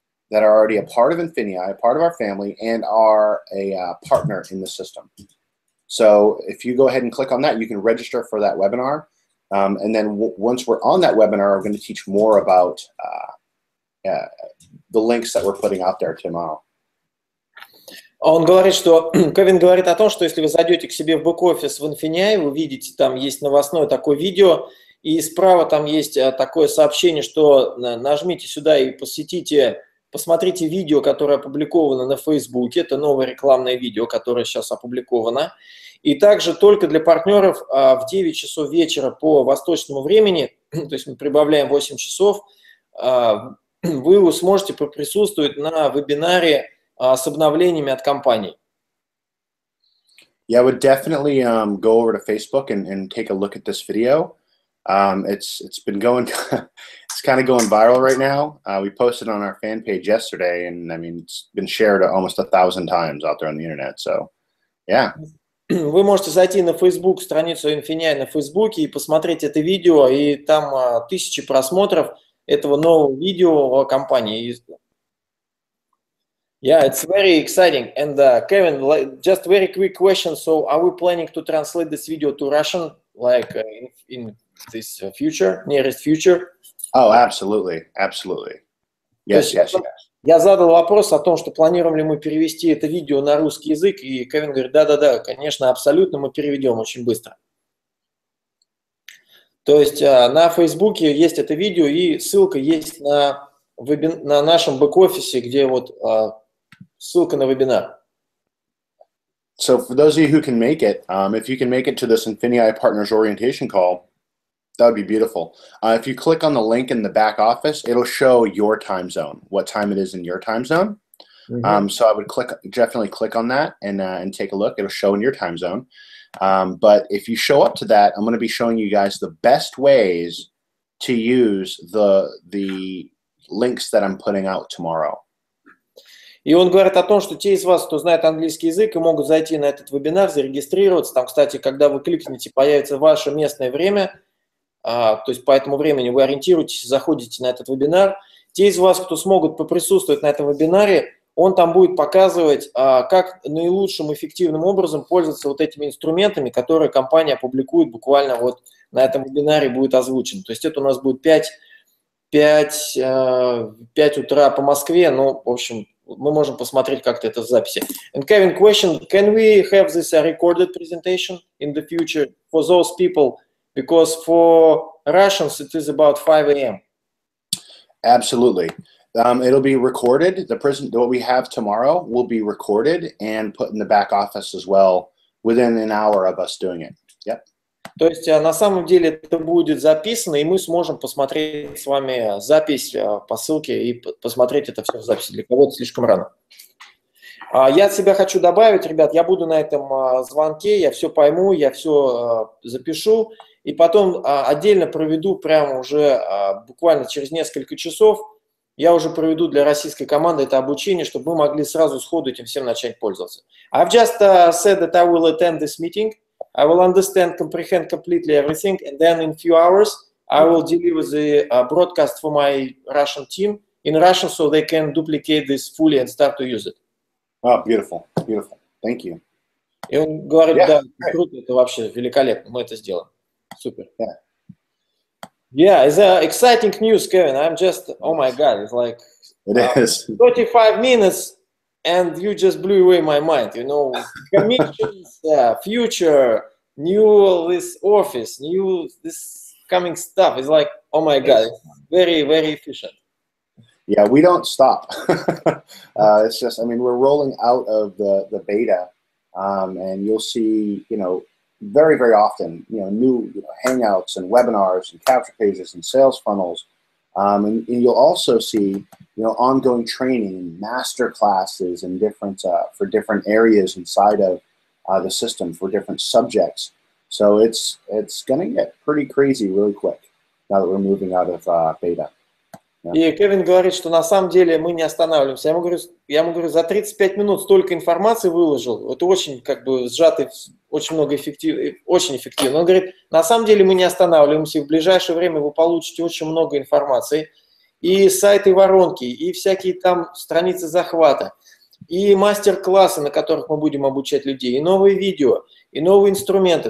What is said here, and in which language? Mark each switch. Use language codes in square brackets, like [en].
[en] that are already a part of Infinii, a part of our family, and are a partner in the system. So if you go ahead and click on that, you can register for that webinar. And then once we're on that webinar, we're going to teach more about the links that we're putting out there tomorrow. [ru] Он говорит, что Кевин говорит о том, что если вы зайдете к себе в бэк-офис в Infinii, вы видите, там есть новостное такое видео, и справа там есть такое сообщение, что нажмите сюда и посмотрите видео, которое опубликовано на Facebook. Это новое рекламное видео, которое сейчас опубликовано. И также только для партнеров в 9 часов вечера по восточному времени, то есть мы прибавляем 8 часов, вы сможете присутствовать на вебинаре с обновлениями от компании. [en] Yeah, I would definitely go over to Facebook and take a look at this video. It's been going, it's kind of going viral right now. We posted on our fan page yesterday, and I mean, it's been shared almost 1,000 times out there on the internet. So, yeah. [ru] Вы можете зайти на Facebook, страницу Infinii на Facebook, и посмотреть это видео, и там тысячи просмотров этого нового видео о компании. [en] Yeah, it's very exciting. And Kevin, like, just very quick question. So are we planning to translate this video to Russian, like in this future, nearest future? Oh, absolutely, absolutely. Yes, [ru] есть, [en] yes, yes. [ru] Я задал вопрос о том, что планируем ли мы перевести это видео на русский язык, и Кевин говорит, да-да-да, конечно, абсолютно мы переведем очень быстро. То есть на Фейсбуке есть это видео, и ссылка есть на нашем бэк-офисе, где вот... ссылка на вебинар. [en] So for those of you who can make it, if you can make it to this Infinii Partners Orientation Call, that would be beautiful. If you click on the link in the back office, it'll show your time zone, what time it is in your time zone. Mm-hmm. So I would definitely click on that and take a look. It'll show in your time zone. But if you show up to that, I'm going to be showing you guys the best ways to use the links that I'm putting out tomorrow. [ru] И он говорит о том, что те из вас, кто знает английский язык, и могут зайти на этот вебинар, зарегистрироваться. Там, кстати, когда вы кликнете, появится ваше местное время, то есть по этому времени вы ориентируетесь, заходите на этот вебинар. Те из вас, кто смогут поприсутствовать на этом вебинаре, он там будет показывать, как наилучшим, эффективным образом пользоваться вот этими инструментами, которые компания опубликует буквально вот на этом вебинаре будет озвучен. То есть это у нас будет 5 утра по Москве, ну, в общем... мы можем посмотреть как-то это в записи. [en] And Kevin, question, can we have this recorded presentation in the future for those people? Because for Russians, it is about 5 a.m. Absolutely. It'll be recorded. The present, what we have tomorrow will be recorded and put in the back office as well within an hour of us doing it. Yep. [ru] То есть на самом деле это будет записано, и мы сможем посмотреть с вами запись по ссылке и посмотреть это все в записи. Для кого-то слишком рано. Я от себя хочу добавить, ребят, я буду на этом звонке, я все пойму, я все запишу, и потом отдельно проведу прямо уже буквально через несколько часов, я уже проведу для российской команды это обучение, чтобы мы могли сразу сходу этим всем начать пользоваться. [en] I've just said that I will attend this meeting. I will understand, comprehend completely everything, and then in a few hours, I will deliver the broadcast for my Russian team in Russian so they can duplicate this fully and start to use it. Oh, beautiful, beautiful. Thank you. [ru] И он говорит, [en] yeah, [ru] да, [en] right. [ru] Круто, это вообще великолепно, мы это сделаем. Супер. [en] Yeah, it's exciting news, Kevin. I'm just, oh my God, it's like it is. 35 minutes. And you just blew away my mind, you know, commissions, future, new this office, new this coming stuff. It's like, oh my God, it's very, very efficient. Yeah, we don't stop. it's just, I mean, we're rolling out of the beta and you'll see, you know, very, very often, you know, new you know, hangouts and webinars and capture pages and sales funnels. And you'll also see, you know, ongoing training, master classes and different for different areas inside of the system for different subjects. So it's going to get pretty crazy really quick now that we're moving out of beta. Yeah. [ru] И Кевин говорит, что на самом деле мы не останавливаемся. Я ему говорю, за 35 минут столько информации выложил. Это очень как бы сжатый, очень много эффективно, очень эффективно. Он говорит, на самом деле мы не останавливаемся. В ближайшее время вы получите очень много информации. и сайты воронки, и всякие там страницы захвата, и мастер-классы, на которых мы будем обучать людей, и новые видео, и новые инструменты.